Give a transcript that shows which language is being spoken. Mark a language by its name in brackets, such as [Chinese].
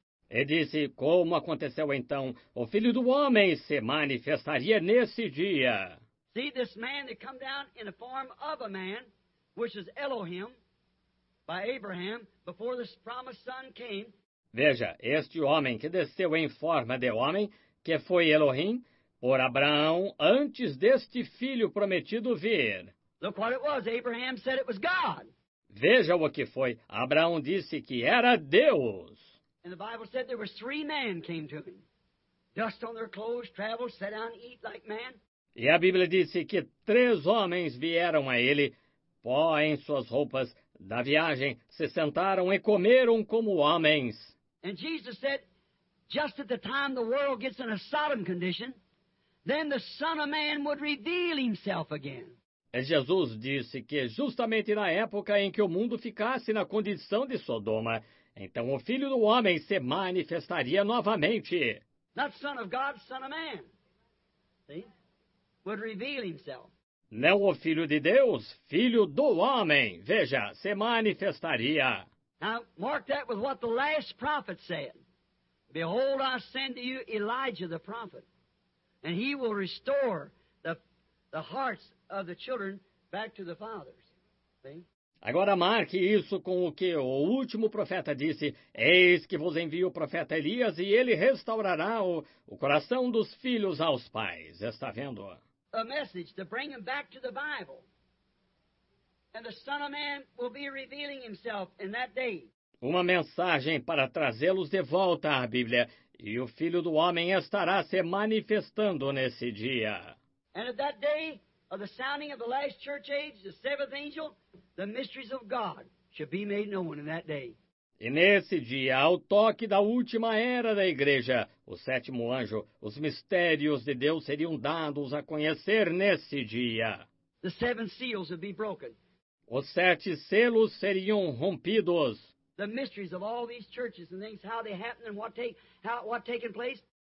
[Portuguese] E disse, como aconteceu então, o Filho do Homem se manifestaria nesse dia. [English] See, this man that come down in the form of a man, which is Elohim, by Abraham, before this promised son came. [Portuguese] Veja, este homem que desceu em forma de homem, que foi Elohim, por Abraão, antes deste filho prometido vir. [English] Look what it was. Abraham said it was God. [Portuguese] Veja o que foi. Abraão disse que era Deus. [English] And the Bible said there were three men came to him. Dust on their clothes, travel, sit down, eat like man. [Portuguese] E a Bíblia disse que três homens vieram a ele, pó em suas roupas, da viagem, se sentaram e comeram como homens. [English] And Jesus said, just at the time the world gets in a Sodom condition, then the Son of Man would reveal himself again. [Portuguese] E Jesus disse que justamente na época em que o mundo ficasse na condição de Sodoma, então o Filho do Homem se manifestaria novamente. [English] Not Son of God, Son of Man. See? Would reveal himself. [Portuguese] Não o Filho de Deus, Filho do Homem. Veja, se manifestaria. [English] Now, mark that with what the last prophet said. Behold, I send to you Elijah the prophet. And he will restore the hearts of the children back to the fathers. See? [Portuguese] Agora marque isso com o que o último profeta disse. Eis que vos envio o profeta Elias e ele restaurará o coração dos filhos aos pais. Está vendo? [English] A message to bring them back to the Bible. And the Son of Man will be revealing himself in that day. [Portuguese] Uma mensagem para trazê-los de volta à Bíblia. E o Filho do Homem estará se manifestando nesse dia. [English] And at that day of the sounding of the last church age, the seventh angel, the mysteries of God shall be made known in that day. [Portuguese] E nesse dia, ao toque da última era da igreja, o sétimo anjo, os mistérios de Deus seriam dados a conhecer nesse dia. [English] The seven seals would be broken. [Portuguese] Os sete selos seriam rompidos. [English] The mysteries of all these churches and things, how they happen and what taking place.